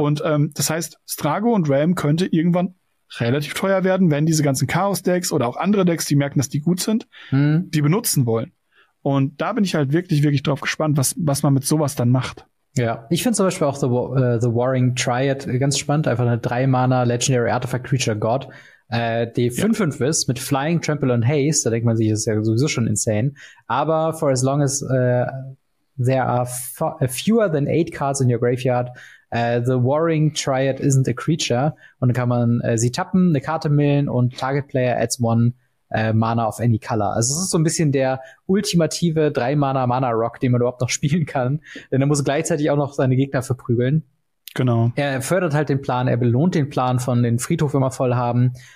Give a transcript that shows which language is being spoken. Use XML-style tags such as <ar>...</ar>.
<de>Und das heißt, Thrago und Realm könnte irgendwann relativ teuer werden, wenn diese ganzen Chaos-Decks oder auch andere Decks, die merken, dass die gut sind, die benutzen wollen. Und da bin ich halt wirklich, wirklich drauf gespannt, was man mit sowas dann macht. Ja, ich finde zum Beispiel auch The Warring Triad ganz spannend. Einfach eine 3-Mana Legendary Artifact Creature God, die 5/5 ist, mit Flying, Trample und Haste. Da denkt man sich, das ist ja sowieso schon insane.</de> <en>Aber for as long as there are fewer than 8 cards in your graveyard, the Warring Triad isn't a creature.</en> <de>Und dann kann man sie tappen, eine Karte millen und</de> <en>Target Player adds 1 Mana of any color.</en> <de>Also es ist so ein bisschen der ultimative 3-Mana-Mana-Rock, den man überhaupt noch spielen kann. Denn er muss gleichzeitig auch noch seine Gegner verprügeln. Genau. Er fördert halt den Plan, er belohnt den Plan von den Friedhof immer voll haben.</de>